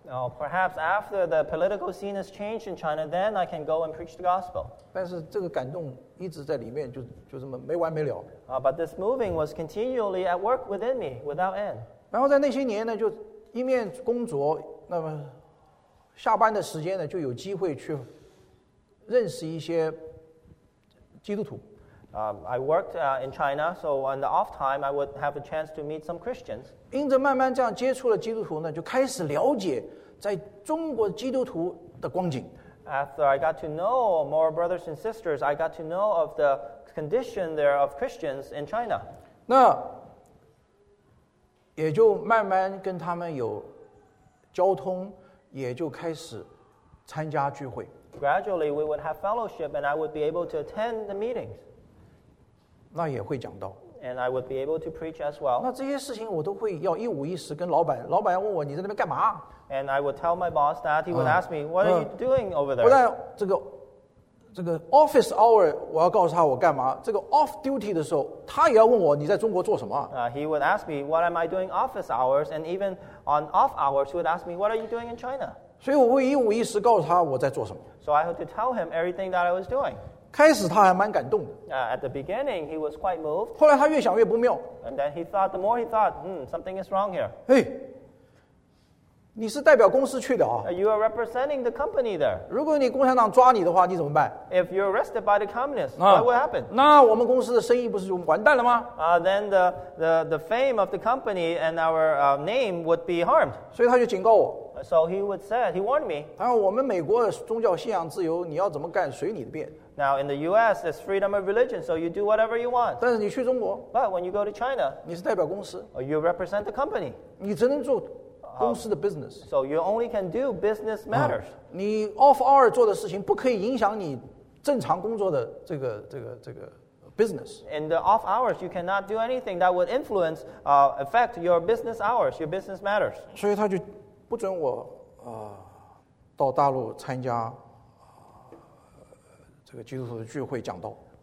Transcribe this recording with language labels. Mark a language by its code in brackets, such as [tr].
[en] Oh, perhaps after the political scene has changed in China, then I can go and preach the gospel. [zh] 但是这个感动一直在里面，就这么没完没了。 [en] But this moving was continually at work within me, without end. [zh] 然后在那些年呢，就一面工作，那么下班的时间呢，就有机会去认识一些基督徒。 [en] I worked in China, so on the off time, I would have a chance to meet some Christians. [zh] 因着慢慢这样接触了基督徒呢，就开始了解在中国基督徒的光景。 [en] After I got to know more brothers and sisters, I got to know of the condition there of Christians in China. [zh] 那也就慢慢跟他们有交通，也就开始参加聚会。 [en] Gradually, we would have fellowship, and I would be able to attend the meetings. [zh] 那也会讲到。 [en] And I would be able to preach as well. [zh] 那这些事情我都会要一五一十跟老板。老板要问我你在那边干嘛？ [en] And I would tell my boss that he would ask me, what are you doing over there? [zh] 不但这个 office hour 我要告诉他我干嘛，这个 off duty 的时候他也要问我你在中国做什么。 [en] He would ask me, what am I doing office hours? And even on off hours, he would ask me, what are you doing in China? [zh] 所以我会一五一十告诉他我在做什么。 [en] So I had to tell him everything that I was doing. [zh] 开始他还蛮感动的。 [en] At the beginning, he was quite moved. [zh] 后来他越想越不妙。 [en] And then he thought, the more he thought, something is wrong here. [zh] 哎，你是代表公司去的啊。 [en] You are representing the company there. [zh] 如果你共产党抓你的话，你怎么办？ [en] If you're arrested by the communists, what will happen? [zh] 那我们公司的生意不是就完蛋了吗？ [en] Then the fame of the company and our name would be harmed. [zh] 所以他就警告我。 [en] So he would say, he warned me. [zh] 然后我们美国的宗教信仰自由，你要怎么干，随你的便。 [en] Now, in the U.S., there's freedom of religion, so you do whatever you want. [zh] 但是你去中国, [en] but when you go to China, [zh] 你是代表公司, [en] or you represent the company. [zh] 你只能做公司的 business. [en] So you only can do business matters. [zh] 你 off hour 做的事情不可以影响你正常工作的这个 business. [en] In the off hours, you cannot do anything that would influence, affect your business hours, your business matters. [zh] 所以他就不准我到大陆参加这个基督徒的聚会讲道。